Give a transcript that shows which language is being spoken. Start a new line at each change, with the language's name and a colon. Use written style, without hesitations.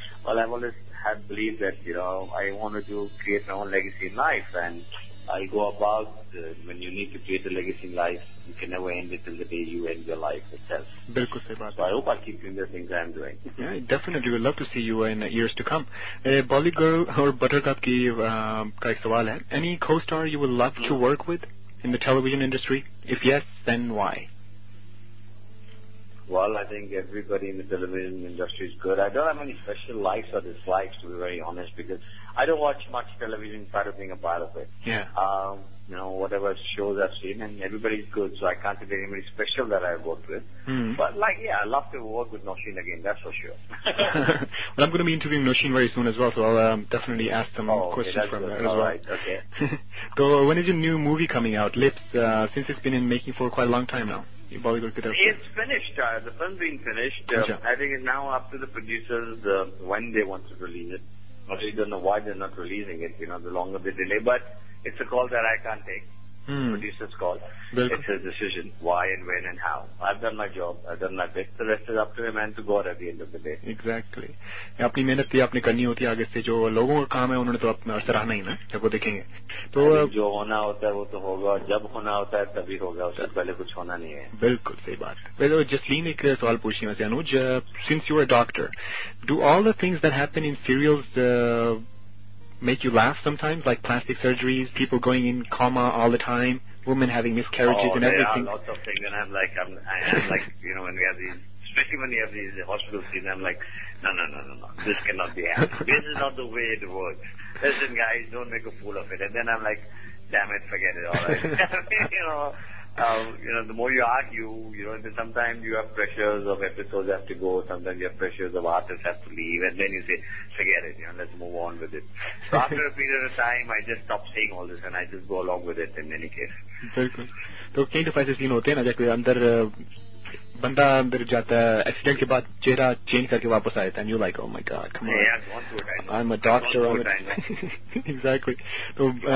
English: Well, I've always had believed that, you know, I wanted to create my own legacy in life, and I'll go about when you need to create a legacy in life, you can never end it till the day you end your life itself.
Hindi: बिल्कुल सही बात.
English: So I hope I'll keep doing the things I'm doing. Yeah, definitely. We'd love to see you in years to come.
Hindi: Bollygirl or Buttercup की का एक सवाल है.
English: Any co-star you would love to work with in the television industry? If yes, then why? Well, I think everybody in the television industry is good. I don't have any special likes or dislikes, to be very honest, because I don't watch much television, so I don't think I'm part of it. Yeah. You know, whatever shows I've seen, and everybody's good, so I can't think of anybody special that I've worked with. Mm. But, like, yeah, I'd love to work with Nosheen again, that's for sure. Well, I'm going to be interviewing Nosheen very soon as well, so I'll definitely ask some questions from her as well. All right, okay. So, when is your new movie coming out, Lips, since it's been in making for quite a long time now? It's finished. The film's being finished. I think it's now up to the producers when they want to release it. I really don't know why they're not releasing it, you know, the longer the delay. But it's a call that I can't take. Mm. The producer's call.
Hindi: Bilkul.
English: It's his decision, why and when and how. I've done my job. I've done my bit. The rest is up to the man to God at the end of the day. Exactly.
Hindi: अपनी मेहनत थी, आपने करनी होती है आगे से. जो लोगों का काम है उन्होंने तो अपना सराहना ही ना, जब वो देखेंगे तो जो होना होता है वो तो होगा, जब होना होता है तभी होगा, उससे पहले कुछ होना नहीं है. बिल्कुल सही बात.
English: Jasleen
Hindi: एक सवाल पूछनी वैसे
English: Anuj, since you are doctor, do all the things that happen in serials make you laugh sometimes, like plastic surgeries, people going in coma all the time, women having miscarriages and everything. Oh, there are lots of things, and I'm like, you know, when we have these, especially when you have these hospital scenes, I'm like, no, this cannot be happening. This is not the way it works. Listen, guys, don't make a fool of it. And then I'm like, damn it, forget it, all right. You know, the more you argue, you know, sometimes you have pressures of episodes have to go, sometimes you have pressures of artists have to leave, and then you say, forget it, you know, let's move on with it. So after a period of time, I just stop saying all this, and I just go along with it in any case. Very good. So, what kind of under...
Hindi: बंदा अंदर जाता है accident के बाद चेहरा change करके वापस आया था
English: and you like oh my God come on I am a doctor exactly तो